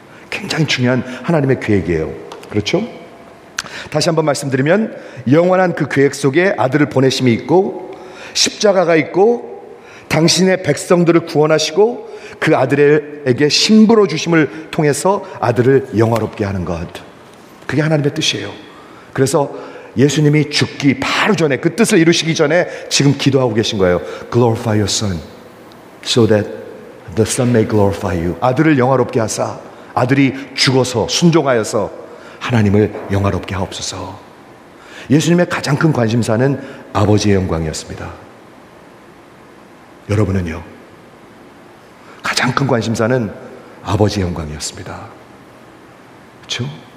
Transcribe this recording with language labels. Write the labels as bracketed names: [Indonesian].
[Korean] 굉장히 중요한 하나님의 계획이에요. 그렇죠? 다시 한번 말씀드리면 영원한 그 계획 속에 아들을 보내심이 있고 십자가가 있고 당신의 백성들을 구원하시고 그 아들에게 신부로 주심을 통해서 아들을 영화롭게 하는 것, 그게 하나님의 뜻이에요. 그래서 예수님이 죽기 바로 전에 그 뜻을 이루시기 전에 지금 기도하고 계신 거예요. [English] Glorify your son so that the son may glorify you. [Korean] 아들을 영화롭게 하사 아들이 죽어서 순종하여서 하나님을 영화롭게 하옵소서. 예수님의 가장 큰 관심사는 아버지의 영광이었습니다. 여러분은요? 가장 큰 관심사는 아버지의 영광이었습니다. 그렇죠?